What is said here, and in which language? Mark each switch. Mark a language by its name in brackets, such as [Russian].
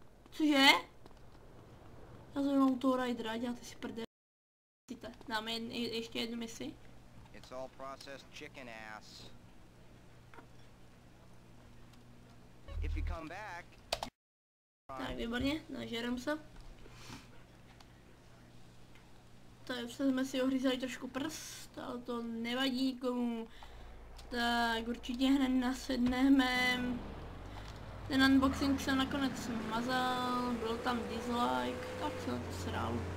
[Czech] Cože? Já jsem jenom toho rajdera, děláte si prde. Dáme ještě jednu misi. [English] It's all processed chicken ass. If you come back, [Czech] tak výborně, nažerem se. Tak jsme si ohryzali trošku prst, ale to nevadí nikomu. Tak určitě hned nasedneme. Ten unboxing jsem nakonec smazal, byl tam dislike, tak jsem to sral.